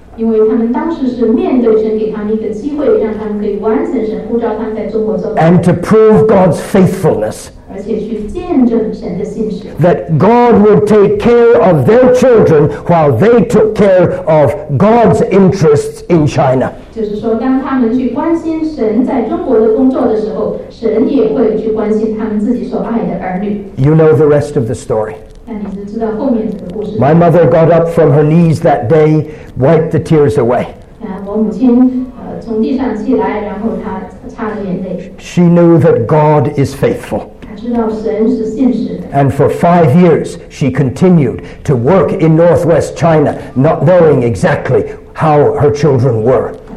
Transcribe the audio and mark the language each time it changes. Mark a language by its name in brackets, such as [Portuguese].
[English] And to prove God's faithfulness. That God would take care of their children while they took care of God's interests in China. [Chinese] 就是说当他们去关心神在中国的工作的时候神也会去关心他们自己所爱的儿女 [English] You know the rest of the story [Chinese] 那你是知道后面的故事 [English] My mother got up from her knees that day wiped the tears away [Chinese] 我母亲从地上起来然后她擦了眼泪 [English] She knew that God is faithful And for 5 years, she continued to work in northwest China, not knowing exactly how her children were.